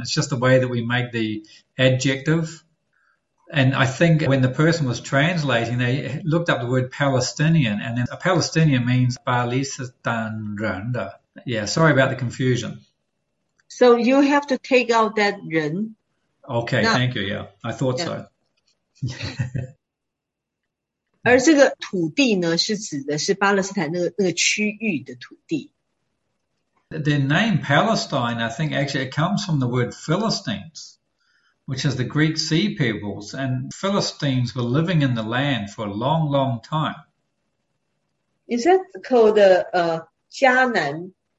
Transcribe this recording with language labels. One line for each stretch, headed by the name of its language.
English: It's just the way that we make the adjective. And I think when the person was translating, they looked up the word Palestinian, and then a Palestinian means Balistan Randa. Yeah, sorry about the confusion. So you have to take out that ren, Okay, not thank you. Yeah, I thought so.
Chinese: 而这个土地呢，是指的是巴勒斯坦那个区域的土地。
English: Their name Palestine, I think actually it comes from the word Philistines. Which is the Greek Sea Peoples, and Philistines were living in the land for a long, long time. Is that called the迦南？